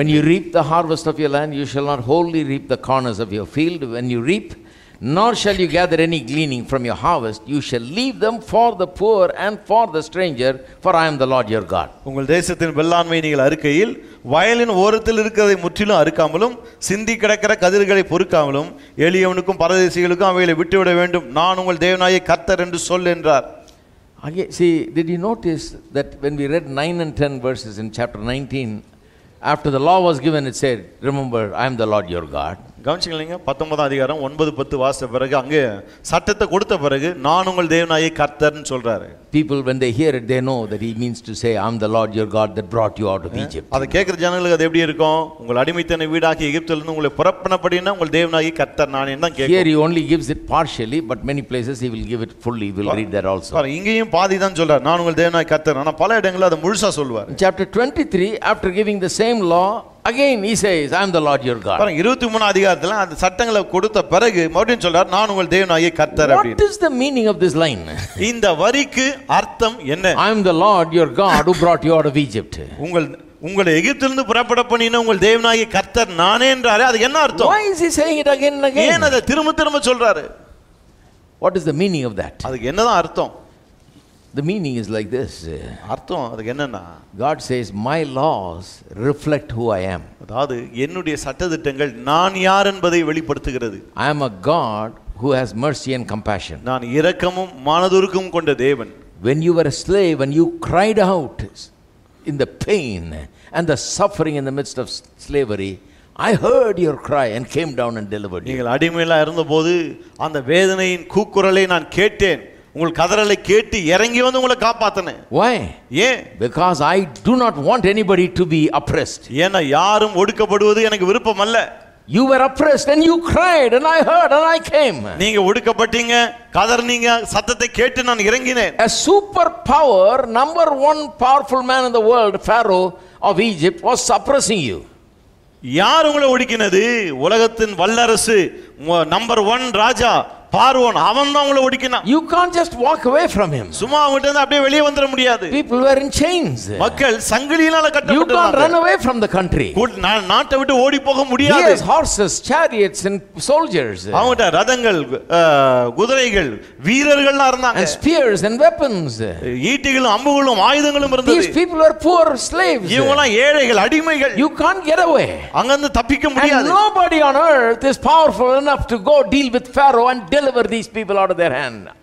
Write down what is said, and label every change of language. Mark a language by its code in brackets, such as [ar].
[en] When you reap the harvest of your land, you shall not wholly reap the corners of your field when you reap, nor shall you gather any gleaning from your harvest, you shall leave them for the poor and for the stranger, for I am the Lord your God. [ta] உங்கள் தேசத்தின் வெள்ளாண்மை நீங்கள் அறுக்கையில் violin ஓரத்தில் இருக்கிறதை முற்றிலும் அறுக்காமலும் சிந்தி கிடக்கிற கதிர்களை பொறுக்காமலும் எளியவனுக்கும் பரதேசிகளுக்கும் அவைகளை விட்டுவிட வேண்டும். நான் உங்கள் தேவனாய கர்த்தர் என்று சொல் என்றார். [en] Again, see, did you notice that when we read 9 and 10 verses in chapter 19, after the law was given, it said, remember, I am the Lord your God. [ta] கவனிச்சிங்களா 19 அதிகாரம் 9:10 வாசித்த பிறகு அங்கே சட்டத்தை கொடுத்த பிறகு நான் உங்கள் தேவனாயே கர்த்தர்னு சொல்றாரு. [en] People when they hear it, they know that he means to say, I'm the Lord your God that brought you out of Egypt. [ta] அது கேக்குற ஜனங்களுக்கு அது எப்படி இருக்கும்? உங்கள் அடிமைத்தனை வீடாகிய எகிப்தில் இருந்து உங்களை புறப்பனப்படினா உங்கள் தேவனாயே கர்த்தர் நானே தான் கேக்கும். [en] Here he only gives it partially, but many places he will give it fully. We will read that also. [ta] பாருங்க இங்கேயும் பாதி தான் சொல்றாரு நான் உங்கள் தேவனாயே கர்த்தர். ஆனா பல இடங்கள்ல அது முழுசா சொல்வார். [en] Chapter 23 after giving the same law, again he says, I am the Lord your God. [ta] பாருங்க 23 அதிகாரத்துல அந்த சட்டங்களை கொடுத்த பிறகு மறுபடியும் சொல்றாரு நான் உங்கள் தேவனாயே கர்த்தர். [en] What is the meaning of this line? [ta] இந்த வரிக்கு அர்த்தம் என்ன? [en] I am the Lord your God who brought you out of Egypt. [ta] உங்களை எகிப்திலிருந்து புறப்பட பண்ணின உங்கள் தேவனாகிய கர்த்தர் நானே என்றாரு. அது என்ன அர்த்தம்? [en] Why is he saying it again and again? [ta] ஏன் அதை திரும்ப திரும்ப சொல்றாரு? [en] What is the meaning of that? [ta] அதுக்கு என்னதான் அர்த்தம்? [en] The meaning is like this. [ta] அர்த்தம் அதுக்கு என்னன்னா, [en] God says my laws reflect who I am. [ta] அதாவது என்னுடைய சட்டதிட்டங்கள் நான் யார் என்பதை வெளிப்படுத்துகிறது. [en] I am a God who has mercy and compassion. [ta] Naan irakkamum manadurukkum konda devan. [en] When you were a slave and you cried out in the pain and the suffering in the midst of slavery, I heard your cry and came down and delivered you. [ta] நீங்கள் அடிமையில இருந்த போது அந்த வேதனையின் கூக்குரலை நான் கேட்டேன். உங்கள் கதறலை கேட்டு இறங்கி வந்து உங்களை காப்பாத்தனேன். [en] Why? Yeah. Because I do not want anybody to be oppressed. [ta] ஏனா யாரும் ஒடுக்கப்படுவது எனக்கு விருப்பம் அல்ல. [en] You were oppressed and you cried and I heard and I came. [ta] நீங்க ஒடுக்கப்பட்டீங்க, கதறனீங்க, சத்தத்தை கேட்டு நான் இறங்கினேன். [en] A super power, number one powerful man in the world, Pharaoh of Egypt, was suppressing you. [ta] யார் உங்களை ஒடுக்கினது? உலகத்தின் வல்லரசு, [en] number one [ta] ராஜா பார்வோன், அவன்தான் உங்களை ஒடுக்கினான். [en] You can't just walk away from him. [ta] சும்மா அவங்கிட்ட இருந்து அப்படியே வெளியே வந்துட முடியாது. [en] People were in chains. [ta] மக்கள் சங்கிலியால கட்டப்பட்டிருந்தாங்க. [en] You can't run away from the country. [ta] நாட்டை விட்டு ஓடி போக முடியாது. [en] He has horses, chariots and soldiers. [ta] அவங்கிட்ட ரதங்கள், குதிரைகள், வீரர்கள் இருந்தாங்க. [en] And spears and weapons. [ta] ஈட்டிகளும் அம்புகளும் ஆயுதங்களும் இருந்தது. [en] These people were poor slaves. [ta] இவங்க எல்லாம் ஏழைகள், அடிமைகள். [en] You can't get away. [ta] அங்க இருந்து தப்பிக்க முடியாது. [en] And nobody on earth is powerful enough to go deal with Pharaoh and deliver these people out of their hand.